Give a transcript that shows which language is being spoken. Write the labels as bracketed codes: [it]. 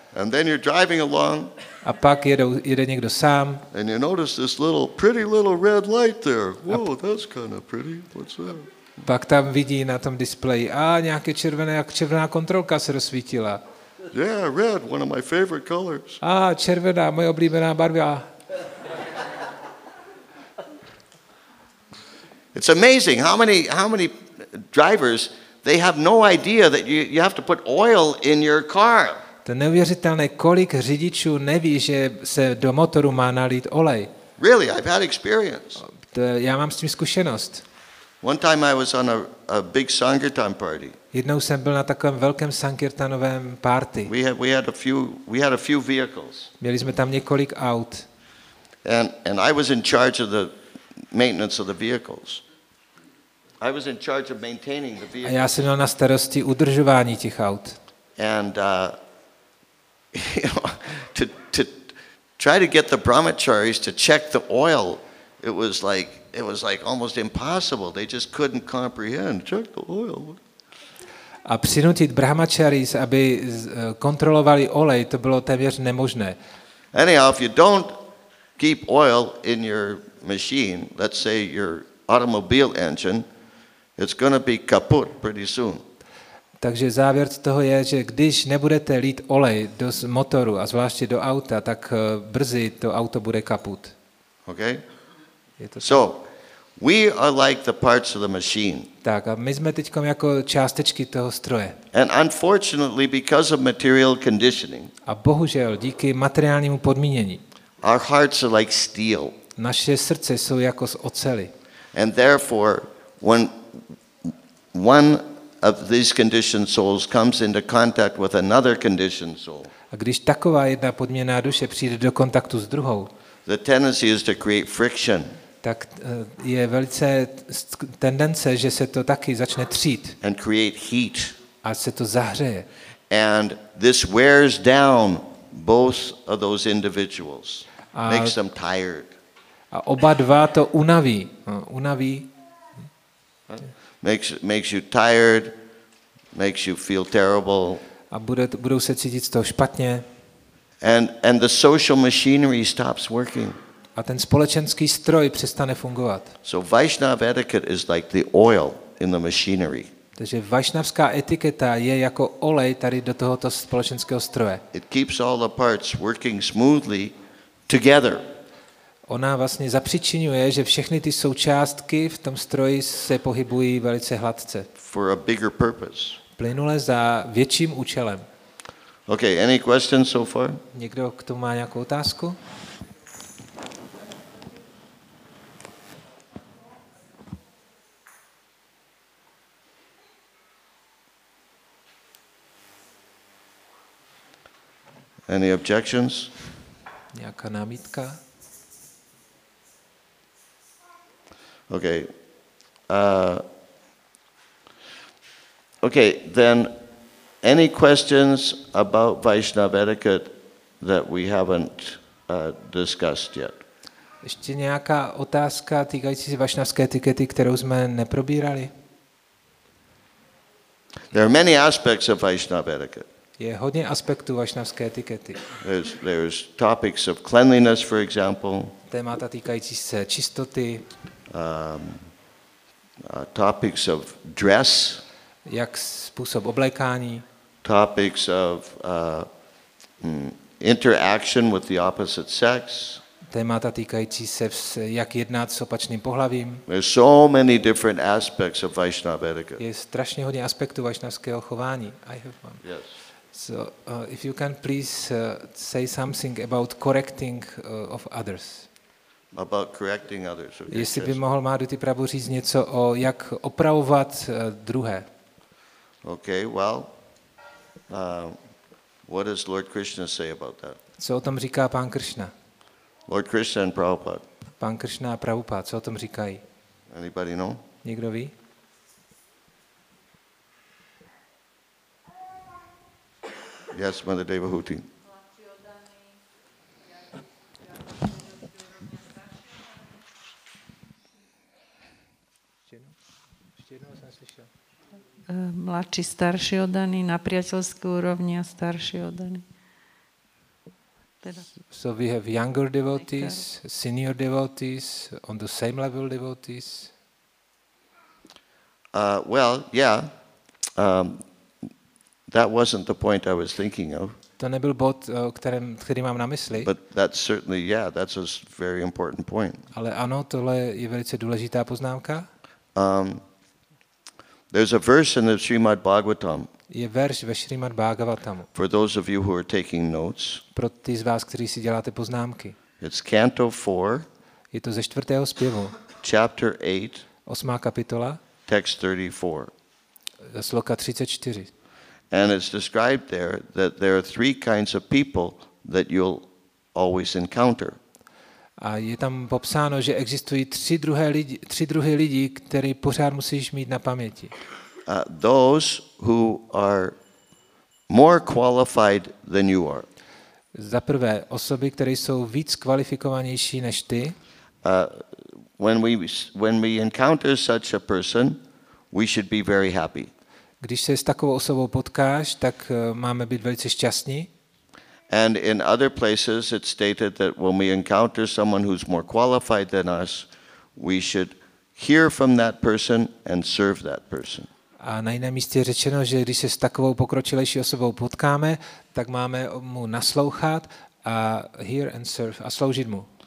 [en] And then you're driving along. [cs] A pak jede někdo sám. [en] And you notice this little pretty little red light there. Whoa, that's kind of pretty. What's that? [cs] Pak tam vidí na tom displeji, nějaké červená kontrolka se rozsvítila. [en] Yeah, red, one of my favorite colors. [cs] Červená, moje oblíbená barva. [en] It's amazing how many drivers, they have no idea that you have to put oil in your car. [cs] To neuvěřitelné, kolik řidičů neví, že se do motoru má nalít olej. [en] Really, I've had experience. [cs] Já mám s tím zkušenost. [en] One time I was on a big Sankirtan party. [cs] Jednou jsem byl na takovém velkém sankirtanovém party. [en] We had a few vehicles. [cs] Měli jsme tam několik aut. [en] And I was in charge of the maintenance of the vehicles. I was in charge of maintaining the vehicles. [cs] A já jsem měl na starosti udržování těch aut. [en] And to try to get the brahmacharis to check the oil, it was like almost impossible. They just couldn't comprehend. Check the oil. [cs] A přinutit brahmacharis, aby kontrolovali olej, to bylo téměř nemožné. [en] Anyhow, if you don't keep oil in your machine, let's say your automobile engine, it's going to be kaput pretty soon. [cs] Takže závěr z toho je, že když nebudete lít olej do motoru a zvláště do auta, tak brzy to auto bude kaput. [en] Okay? So, we are like the parts of the machine. [cs] Tak, a my jsme teď jako částečky toho stroje. [en] And unfortunately, because of material conditioning. [cs] A bohužel díky materiálnímu podmínění. [en] Our hearts are like steel. [cs] Naše srdce jsou jako z oceli. [en] And therefore, when one of these conditioned souls comes into contact with another conditioned soul. [cs] A když taková jedna podmíněná duše přijde do kontaktu s druhou. [en] The tendency is to create friction. [cs] Tak je velice tendence, že se to taky začne třít. [en] And create heat. [cs] A se to zahřeje. [en] And this wears down both of those individuals. Makes them tired. [cs] A oba dva to unaví. Unaví. [en] Makes you tired, makes you feel terrible. [cs] A budou se cítit z toho špatně. [en] And the social machinery stops working. [cs] A ten společenský stroj přestane fungovat. [en] So Vaishnav etiquette is like the oil in the machinery. [cs] Takže vaishnavská etiketa je jako olej tady do tohoto společenského stroje. [en] It keeps all the parts working smoothly together. [cs] Ona vlastně zapříčinuje, že všechny ty součástky v tom stroji se pohybují velice hladce. [en] For a bigger purpose. [cs] Plynule za větším účelem. [en] Okay, any questions so far? [cs] Někdo k tomu má nějakou otázku? [en] Any objections? [cs] Nějaká námitka? [en] Okay. Okay, then any questions about Vaishnava etiquette that we haven't discussed yet? [cs] Ještě nějaká otázka týkající se vaišnavské etikety, kterou jsme neprobírali? [en] There are many aspects of Vaishnava etiquette. [cs] Je hodně aspektů vaišnavské etikety. [en] There's topics of cleanliness, for example. [cs] Témata týkající se čistoty. [en] Topics of dress. [cs] Jak způsob oblékání. [en] Topics of interaction with the opposite sex. [cs] Témata týkající se, jak jednat s opačným pohlavím. [en] There's so many different aspects of Vaishnava etiquette. [cs] Je strašně hodně aspektů vaišnavského chování. [en] I have one. Yes. So if you can please say something about correcting of others. About correcting others. Okay. [cs] Jestli by mohl Maduti Prabhu říct něco o jak opravovat druhé. [en] Okay, well. What does Lord Krishna say about that? [cs] Co o tom říká pán Krishna? [en] Lord Krishna and Prabhupada. [cs] Pán Krishna a Prabhupada, co o tom říkají? [en] Anybody know? [cs] Někdo ví? [en] Yes, Mother Deva Huti. [cs] Mladší, starší oddaný, na přátelské úrovni a starší oddaný. [en] So we have younger devotees, senior devotees, on the same level devotees. Well, yeah. That wasn't the point I was thinking of. [cs] To nebyl bod, který mám na mysli. [en] But that's certainly, yeah, that's a very important point. [cs] Ale ano, tohle je velice důležitá poznámka. [en] There's a verse in the Srimad Bhagavatam. [cs] Je verš ve Srimad Bhagavatam. [en] For those of you who are taking notes. [cs] Pro ty z vás, kteří si děláte poznámky. [en] It's canto 4. [cs] Je to ze čtvrtého zpěvu. [en] Chapter 8. [cs] Osmá kapitola. [en] Text 34. [cs] Sloka 34. [en] And it's described there that there are three kinds of people that you'll always encounter. [cs] A je tam popsáno, že existují tři druhy lidí, které pořád musíš mít na paměti. [en] Those who are more qualified than you are. [cs] Za prvé, osoby, které jsou víc kvalifikovanější než ty. [en] When we encounter such a person, we should be very happy. [cs] Když se s takovou osobou potkáš, tak máme být velice šťastní. [en] And in other places it's stated that when we encounter someone who's more qualified than us, we should hear from that person and serve that person. [cs] A na jiném místě je řečeno, že když se s takovou pokročilejší osobou potkáme, tak máme mu naslouchat a [en] hear and serve [cs] a sloužit mu.